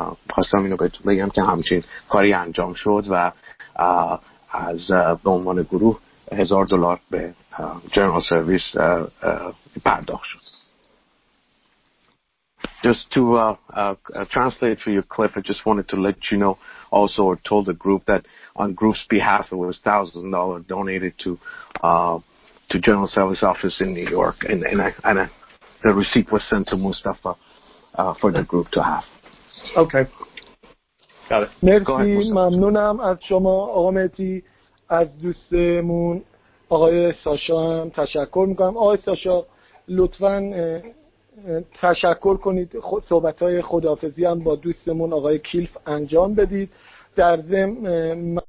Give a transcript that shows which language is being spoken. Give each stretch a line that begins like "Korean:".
Persian: خواستم اینو بهتون بگم که همچین کاری انجام شد و از به عنوان گروه $1,000 به جنرال سرویس پرداخت شد.
English: Just to translate for your clip, I just wanted to let you know also, or told the group, that on group's behalf it was $1,000 donated to General Service Office in New York, and the receipt was sent to Mustafa for the group to have. Okay. Got it.
Persian: Merci, ممنونم از شما آقا مهدی. از دوستمون آقای ساشا هم تشکر میکنم. آقای ساشا لطفاً تشکر کنید، صحبت‌های خداحافظی هم با دوستمون آقای کیلف انجام بدید. در ضمن